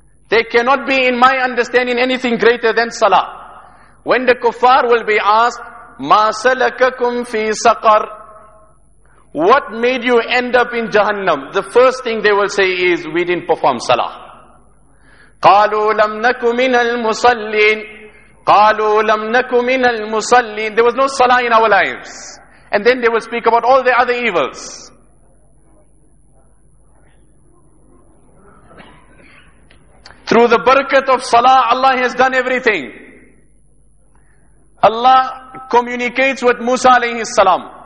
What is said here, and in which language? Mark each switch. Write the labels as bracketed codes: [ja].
[en] There cannot be, in my understanding, anything greater than Salah. When the kuffar will be asked, [ar] مَا سَلَكَكُمْ فِي سَقَرْ [en] What made you end up in Jahannam? The first thing they will say is, we didn't perform Salah. [ar] قَالُوا لَمْ نَكُ مِنَ الْمُصَلِّينَ قَالُوا لَمْ نَكُ مِنَ الْمُصَلِّينَ [en] There was no Salah in our lives. And then they will speak about all the other evils. Through the barakat of salah, Allah has done everything. Allah communicates with Musa alayhi salam.